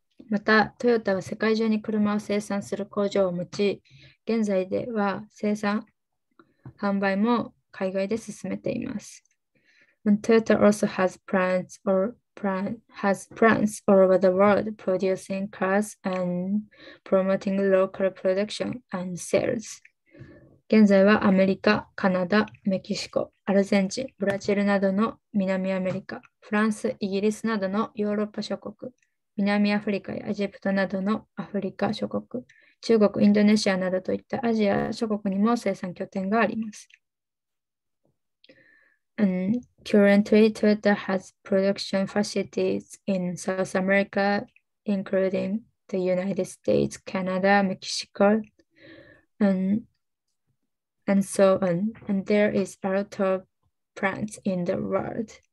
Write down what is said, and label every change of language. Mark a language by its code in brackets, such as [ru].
[ja] また、トヨタは世界中に車を生産する工場を持ち、現在では生産、販売も海外で進めています。 [en] And Toyota also has plants all over the world producing cars and promoting local production and sales. [ja] 現在はアメリカ、カナダ、メキシコ、アルゼンチン、ブラジルなどの南アメリカ、フランス、イギリスなどのヨーロッパ諸国、南アフリカやエジプトなどのアフリカ諸国、中国、インドネシアなどといったアジア諸国にも生産拠点があります。 [en] And currently, Toyota has production facilities in South America, including the United States, Canada, Mexico, and so on, and there is a lot of plants in the world.